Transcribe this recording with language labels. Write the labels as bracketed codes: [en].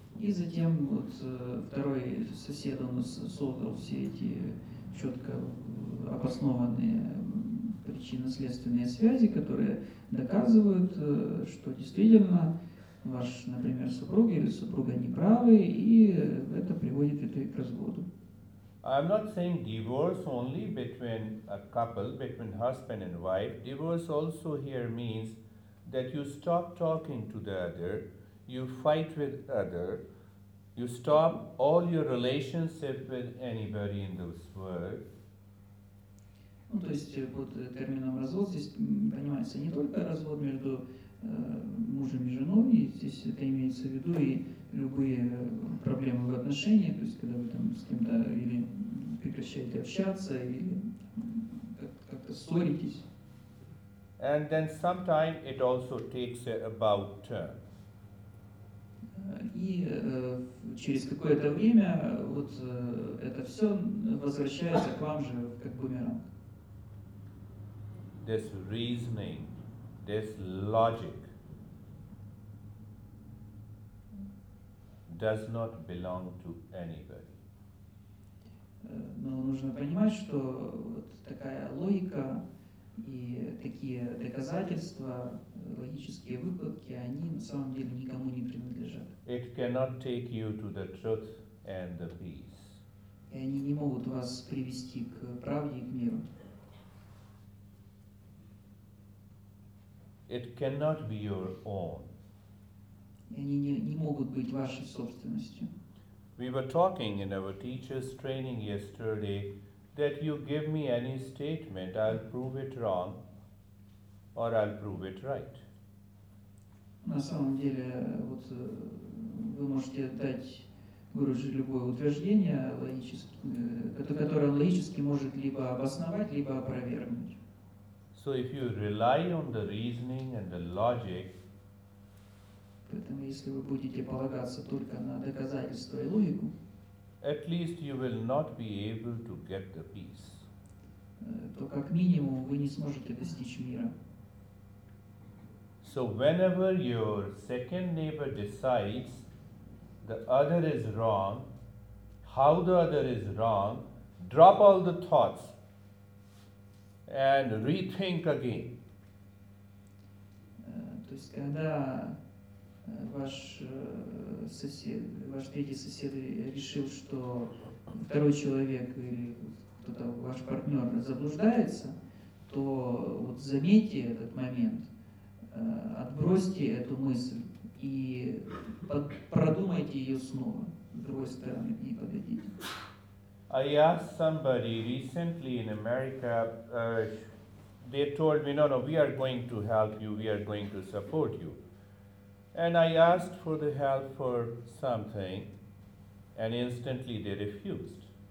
[ru] И затем вот второй сосед у нас создал все эти четко обоснованные причинно-следственные связи, которые доказывают, что действительно ваш, например, супруг или супруга неправы, и это приводит это к разводу. [en] I'm not saying divorce only between a couple, between husband and wife. Divorce also here means that you stop talking to the other, you fight with other, you stop all your relationship with anybody in this world. [ru] Ну, то есть под термином развод здесь понимается не только развод между мужем и женой, и здесь это имеется в виду и любые проблемы в отношениях, то есть когда вы там с кем-то или прекращаете общаться, или как-то ссоритесь. [en] And then sometime it also takes about turn. [ru] И через какое-то время вот это все возвращается к вам же как бумеранг. [en] This reasoning, this logic does not belong to anybody. [ru] Но нужно понимать, что вот такая логика и такие доказательства, логические выкладки, они на самом деле никому не принадлежат. [en] It cannot take you to the truth and the peace. [ru] И они не могут вас привести к правде и к миру. [en] It cannot be your own. [ru] И они не могут быть вашей собственностью. [en] We were talking in our teacher's training yesterday that you give me any statement, I'll prove it wrong, or I'll prove it right. [ru] На самом деле, вот вы можете дать Гуруджи любое утверждение, которое он логически может либо обосновать, либо опровергнуть. [en] So if you rely on the reasoning and the logic, [ru] поэтому если вы будете полагаться только на доказательства и логику, [en] at least you will not be able to get the peace. [ru] То как минимум вы не сможете достичь мира. [en] So whenever your second neighbor decides the other is wrong, how the other is wrong, drop all the thoughts and rethink again. [ru] То есть когда ваш сосед, ваш третий сосед решил, что второй человек или кто-то, ваш партнер, заблуждается, то вот заметьте этот момент, отбросьте эту мысль и продумайте ее снова, с другой стороны, к ней подойдите. [en] I asked somebody recently in America, they told me, no, we are going to help you, we are going to support you. And I asked for the help for something, and instantly they refused.